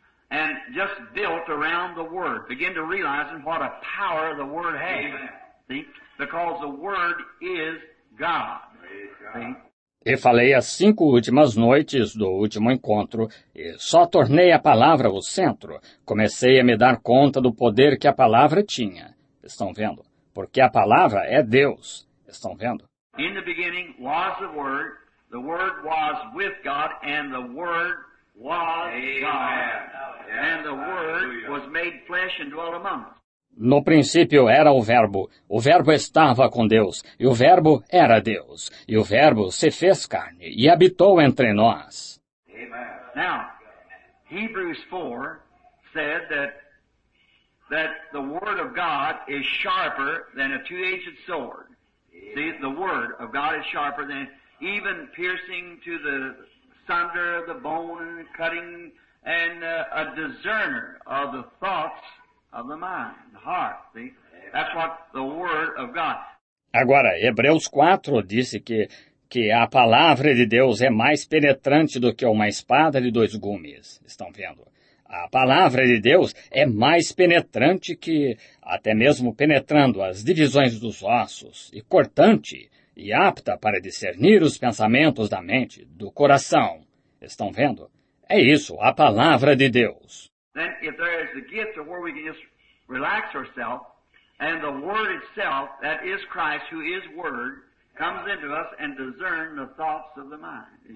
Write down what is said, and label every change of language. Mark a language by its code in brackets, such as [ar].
[en] And just built around the Word, begin to realize what a power the Word has, see? Because the Word is God. [pt] E falei as 5 últimas noites do último encontro, e só tornei a palavra o centro. Comecei a me dar conta do poder que a palavra tinha. Estão vendo? Porque a palavra é Deus. Estão vendo? [en] In the beginning was the Word was with God, and the Word was God. And the Word was made flesh and dwelt among us. [pt] No princípio era o Verbo estava com Deus, e o Verbo era Deus, e o Verbo se fez carne e habitou entre nós. [en] Amen. Now, Hebrews 4 said that the Word of God is sharper than a two-edged sword. See, the Word of God is sharper than even piercing to the sunder the bone and cutting and a discerner of the thoughts of the mind, the heart, see? That's what the Word of God. [pt] Agora, Hebreus 4 disse que a palavra de Deus é mais penetrante do que uma espada de dois gumes. Estão vendo? A palavra de Deus é mais penetrante que até mesmo penetrando as divisões dos ossos e cortante e apta para discernir os pensamentos da mente, do coração. Estão vendo? É isso, a palavra de Deus. [en] Then if there is a gift of where we can just relax ourselves, and the Word itself, that is Christ, who is Word, comes into us and discern the thoughts of the mind.